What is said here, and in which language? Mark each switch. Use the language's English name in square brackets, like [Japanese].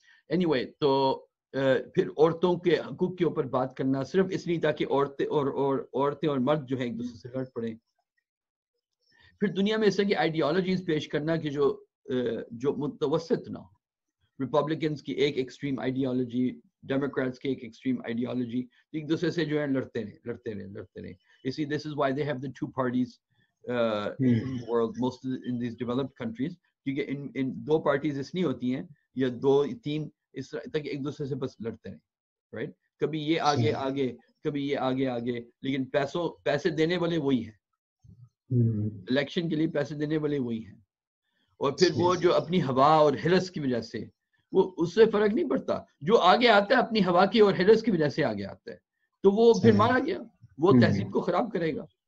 [Urdu] Any way, تو پھر عورتوں کے حقوق کے اوپر بات کرنا صرف اس لیے تاکہ عورتیں اور مرد جو ہیں ایک دوسرے سے لڑ پڑیں. پھر دنیا میں اس طرح کی آئیڈیالوجیز پیش کرنا کہ جو متوسط نہ ہو. ریپبلکنس کی ایک ایکسٹریم آئیڈیالوجی, ڈیموکریٹس کی ایک ایکسٹریم آئیڈیالوجی, ایک دوسرے سے جو ہے لڑتے رہیں. [English] You see, this is why they have the two parties in the world, most in these developed countries, [Urdu] کیونکہ ان دو پارٹیز اس لیے ہوتی ہیں, یا دو تین اس طرح تک ایک دوسرے سے بس لڑتے رہے, رائٹ, کبھی یہ آگے آگے, کبھی یہ آگے آگے, لیکن پیسے دینے والے وہی ہیں, الیکشن کے لیے پیسے دینے والے وہی ہیں. اور پھر وہ جو اپنی ہوا اور ہرس کی وجہ سے, وہ اس سے فرق نہیں پڑتا, جو آگے آتا ہے اپنی ہوا کی اور ہرس کی وجہ سے آگے آتا ہے, تو وہ پھر مارا گیا, وہ تہذیب کو خراب کرے گا.